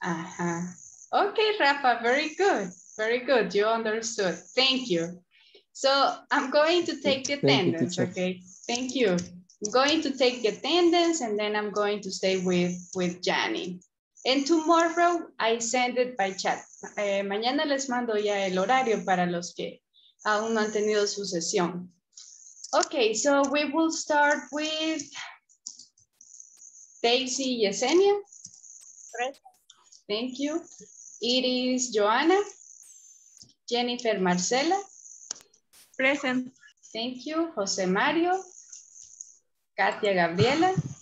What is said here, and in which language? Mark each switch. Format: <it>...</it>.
<en>Uh-huh. Okay, Rafa, very good. Very good. You understood. Thank you. So I'm going to take the attendance, okay? Thank you. I'm going to take the attendance and then I'm going to stay with Jani. And tomorrow I send it by chat.</en> <es>Mañana les mando ya el horario para los que aún no han tenido su sesión.</es> <en>Okay, so we will start with Daisy Yesenia. Thank you. Iris Joanna. Jennifer Marcela. Present. Thank you. Jose Mario. Katia Gabriela.</en>